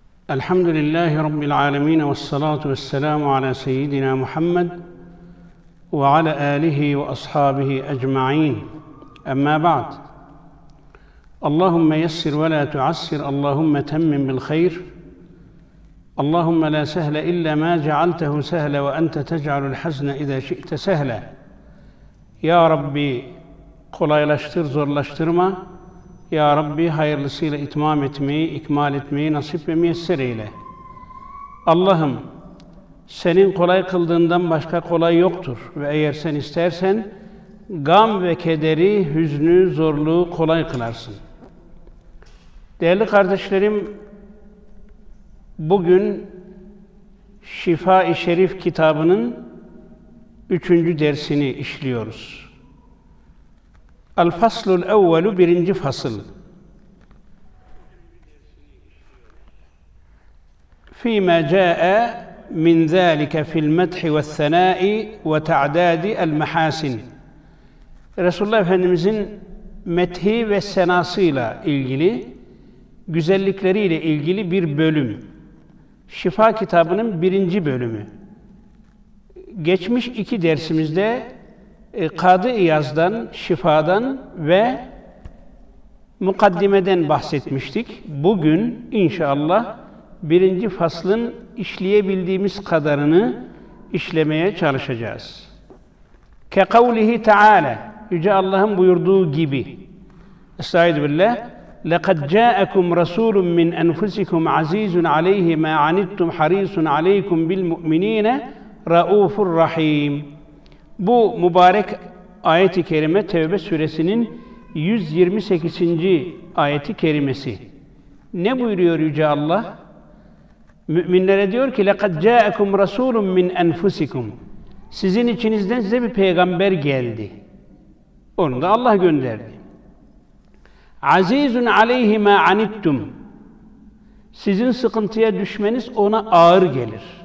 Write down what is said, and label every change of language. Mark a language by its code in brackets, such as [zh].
[ar] الحمد لله رب العالمين، والصلاة والسلام على سيدنا محمد وعلى آله وأصحابه أجمعين، أما بعد، اللهم يسر ولا تعسر، اللهم تمم بالخير، اللهم لا سهل إلا ما جعلته سهلا، وأنت تجعل الحزن إذا شئت سهلا. يا ربي [tr] kolaylaştır, zorlaştırma. Ya Rabbi hayırlısıyla itmam etmeyi, ikmal etmeyi nasip ve müyesser eyle. Allah'ım, senin kolay kıldığından başka kolay yoktur. Ve eğer sen istersen, gam ve kederi, hüznü, zorluğu kolay kılarsın. Değerli kardeşlerim, bugün Şifa-i Şerif kitabının 3. dersini işliyoruz. [ar] الفصل الأول برنج فصل فيما جاء من ذلك في المدح والثناء وتعداد المحاسن. [tr] Resulullah Efendimizin methi ve senasıyla ilgili, güzellikleriyle ilgili bir bölüm. Şifa kitabının birinci bölümü. Geçmiş iki dersimizde Kadı İyaz'dan, Şifa'dan ve Mukaddime'den bahsetmiştik. Bugün inşallah birinci faslın işleyebildiğimiz kadarını işlemeye çalışacağız. [ar] كَقَوْلِهِ تَعَالَى [tr] Yüce Allah'ın buyurduğu gibi. Estaizu billah. [ar] لَقَدْ جَاءَكُمْ رَسُولٌ مِّنْ أَنْفُسِكُمْ عَزِيزٌ عَلَيْهِ مَا عَنِدْتُمْ حَرِيصٌ عَلَيْكُمْ بِالْمُؤْمِنِينَ رَؤُوفُ الرَّحِيمِ [tr] Bu mübarek ayet-i kerime Tevbe suresinin 128. ayet-i kerimesi. Ne buyuruyor Yüce Allah? Müminlere diyor ki, [ar] لَقَدْ جَاءَكُمْ رَسُولٌ مِّنْ أَنْفُسِكُمْ [tr] Sizin içinizden size bir peygamber geldi. Onu da Allah gönderdi. [ar] عَزِيزٌ عَلَيْهِ مَا عَنِدْتُمْ [tr] Sizin sıkıntıya düşmeniz ona ağır gelir.